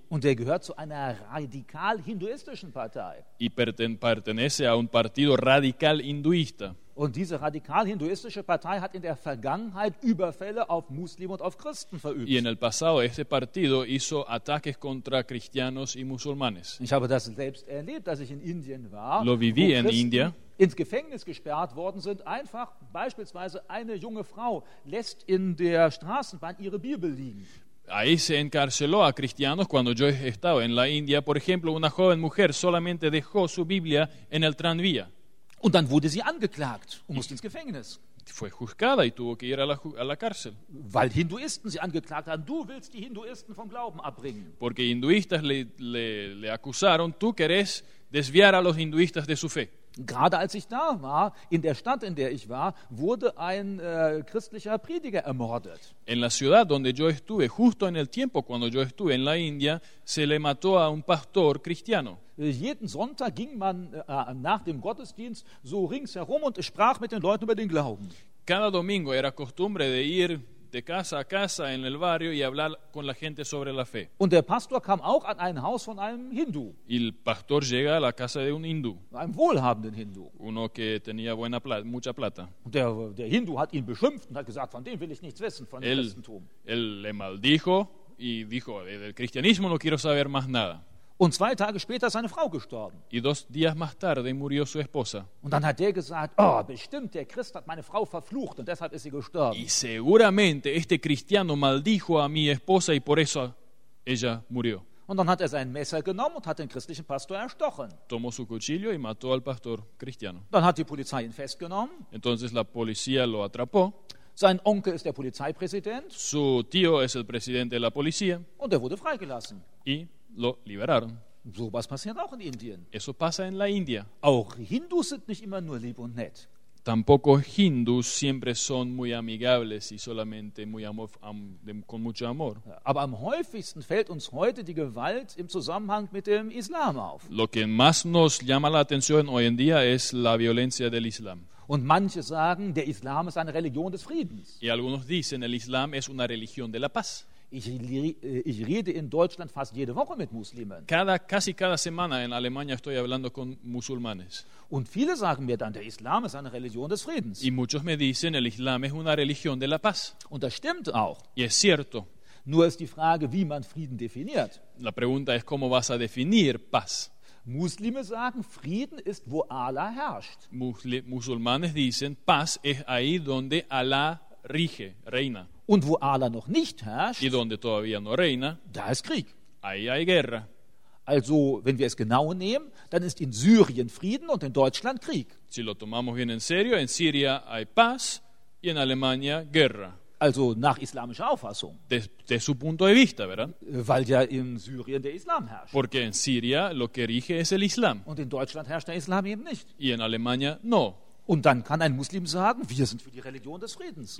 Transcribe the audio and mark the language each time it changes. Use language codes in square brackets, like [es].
[de] Und er gehört zu einer radikal hinduistischen Partei. [es] Y pertenece a un partido radical hinduista. [de] Und diese radikal hinduistische Partei hat in der Vergangenheit Überfälle auf Muslime und auf Christen verübt. [es] Y en el pasado este partido hizo ataques contra cristianos y musulmanes. [de] Ich habe das selbst erlebt, als ich in Indien war. [es] Lo viví en India. [de] Ins Gefängnis gesperrt worden sind, einfach beispielsweise eine junge Frau lässt in der Straßenbahn ihre Bibel liegen. [es] Ahí se encarceló a cristianos cuando yo estaba en la India. Por ejemplo, una joven mujer solamente dejó su Biblia en el tranvía. [de] Und dann wurde sie angeklagt und musste ins Gefängnis. [es] Fue juzgada y tuvo que ir a la cárcel. [de] Weil Hinduisten sie angeklagt haben, du willst die Hinduisten vom Glauben abbringen. [es] Porque hinduistas le acusaron, tú querés desviar a los hinduistas de su fe. [de] Gerade als ich da war, in der Stadt, in der ich war, wurde ein christlicher Prediger ermordet. [es] En la ciudad donde yo estuve, justo en el tiempo cuando yo estuve en la India, se le mató a un pastor cristiano. [de] Jeden Sonntag ging man nach dem Gottesdienst so ringsherum und sprach mit den Leuten über den Glauben. [es] Cada domingo era costumbre de ir de casa a casa en el barrio y hablar con la gente sobre la fe. [de] Und der Pastor kam auch an ein Haus von einem Hindu. [es] El pastor llega a la casa de un hindú. [de] Einem wohlhabenden Hindu. [es] Uno que tenía buena plata, mucha plata. [de] Und der Hindu hat ihn beschimpft und hat gesagt, von dem will ich nichts wissen, von dem Christentum. [es] Él le maldijo y dijo, del cristianismo no quiero saber más nada. [de] Und zwei Tage später ist seine Frau gestorben. [es] Y dos días más tarde murió su esposa. [de] Und dann hat der gesagt, oh, bestimmt, der Christ hat meine Frau verflucht und deshalb ist sie gestorben. [es] Y seguramente este cristiano maldijo a mi esposa y por eso ella murió. [de] Und dann hat sein Messer genommen und hat den christlichen Pastor erstochen. [es] Tomó su cuchillo y mató al pastor cristiano. [de] Dann hat die Polizei ihn festgenommen. [es] Entonces la policía lo atrapó. [de] Sein Onkel ist der Polizeipräsident. [es] Su tío es el presidente de la policía. [de] Und er wurde freigelassen. [es] Y lo liberaron. [de] So was passiert auch in Indien. [es] Eso pasa en la India. [de] Auch Hindus sind nicht immer nur lieb und nett. [es] Tampoco Hindus siempre son muy amigables y solamente muy amor, con mucho amor. [de] Aber am häufigsten fällt uns heute die Gewalt im Zusammenhang mit dem Islam auf. [es] Lo que más nos llama la atención hoy en día es la violencia del Islam. [de] Und manche sagen, der Islam ist eine Religion des Friedens. [es] Y algunos dicen, el Islam es una religión de la paz. [de] Ich rede in Deutschland fast jede Woche mit Muslimen. [es] Casi cada semana en Alemania estoy hablando con musulmanes. [de] Und viele sagen mir dann, der Islam ist eine Religion des Friedens. [es] Y muchos me dicen, el Islam es una religión de la paz. [de] Und das stimmt auch. [es] Y es cierto. [de] Nur ist die Frage, wie man Frieden definiert. [es] La pregunta es cómo vas a definir paz. [de] Muslime sagen, Frieden ist, wo Allah herrscht. [es] Musulmanes dicen, paz es ahí donde Allah rige, reina. [de] Und wo Allah noch nicht herrscht, [es] y donde todavía no reina, [de] da ist Krieg. [es] Ahí hay guerra. [de] Also, wenn wir es genau nehmen, dann ist in Syrien Frieden und in Deutschland Krieg. [es] Si lo tomamos bien en serio, en Siria hay paz y en Alemania guerra. [de] Also nach islamischer Auffassung. [es] De su punto de vista, ¿verdad? [de] Weil ja in Syrien der Islam herrscht. [es] Porque en Siria lo que rige es el Islam. [de] Und in Deutschland herrscht der Islam eben nicht. [es] Y en Alemania no. [de] Und dann kann ein Muslim sagen, wir sind für die Religion des Friedens.